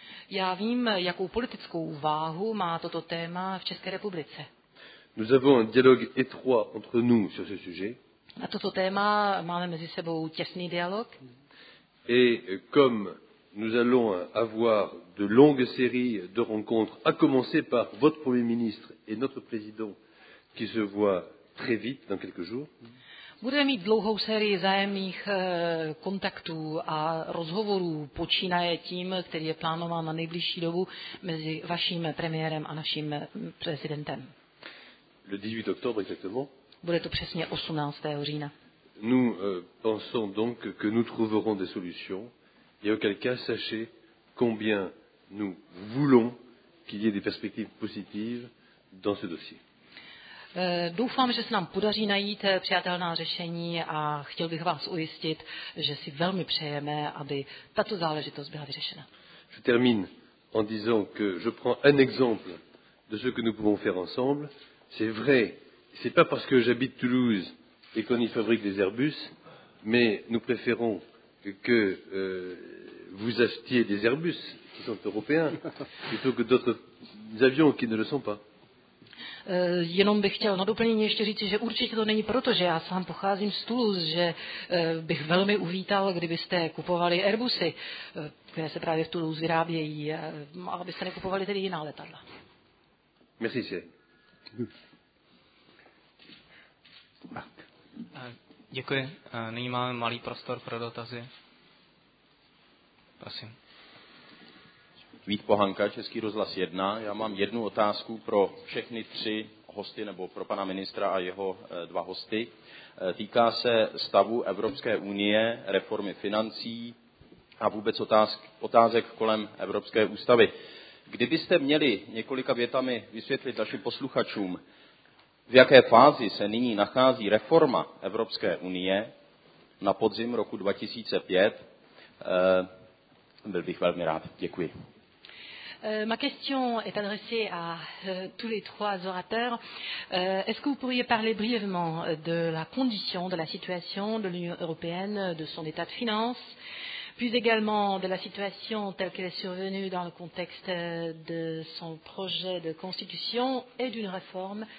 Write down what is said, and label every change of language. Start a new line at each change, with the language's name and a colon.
Czech: Já vím, jakou politickou váhu má toto téma v České republice.
French: Nous avons un dialogue étroit entre nous sur ce sujet.
Czech: Na toto téma máme mezi sebou těsný dialog.
French: Et comme nous allons avoir de longues séries de rencontres, à commencer par votre Premier ministre et notre Président, qui se voient très vite, dans quelques jours.
Czech: Budeme mít dlouhou sérii vzájemných kontaktů a rozhovorů, počínaje tím, který je plánován na nejbližší dobu mezi vaším premiérem a naším prezidentem.
French: Le 18 octobre exactement.
Czech: Bude to přesně 18. října.
French: Nous pensons donc que nous trouverons des solutions et auquel cas sachez combien nous voulons qu'il y ait des perspectives positives dans ce dossier.
Czech: Doufám, že se nám podaří najít přijatelná řešení a chtěl bych vás ujistit, že si velmi přejeme, aby tato záležitost byla vyřešena.
French: Je termine en disant que je prends un exemple de ce que nous pouvons faire ensemble. C'est vrai, c'est pas parce que j'habite Toulouse et qu'on y fabrique des Airbus, mais nous préférons que vous achetiez des Airbus qui sont européens plutôt que d'autres avions qui ne le sont pas.
Czech: Jenom bych chtěl na doplnění ještě říct, že určitě to není proto, že já sám pocházím z Toulouse, že bych velmi uvítal, kdybyste kupovali Airbusy, které se právě v Toulouse vyrábějí, a abyste nekupovali tedy jiná letadla.
French: Merci.
Czech: Děkuji. Nyní máme malý prostor pro dotazy. Prosím. Vít Pohanka, Český rozhlas 1. Já mám jednu otázku pro všechny tři hosty, nebo pro pana ministra a jeho dva hosty. Týká se stavu Evropské unie, reformy financí a vůbec otázek kolem Evropské ústavy. Kdybyste měli několika větami vysvětlit našim posluchačům, v jaké fázi se nyní nachází reforma Evropské unie na podzim roku 2005, byl bych velmi rád. Děkuji.
French: Ma question est adressée à tous les trois orateurs. Est-ce que vous pourriez parler brièvement de la condition, de la situation de l'Union européenne, de son état de finances, puis également de la situation telle qu'elle est survenue dans le contexte de son projet de constitution et d'une réforme.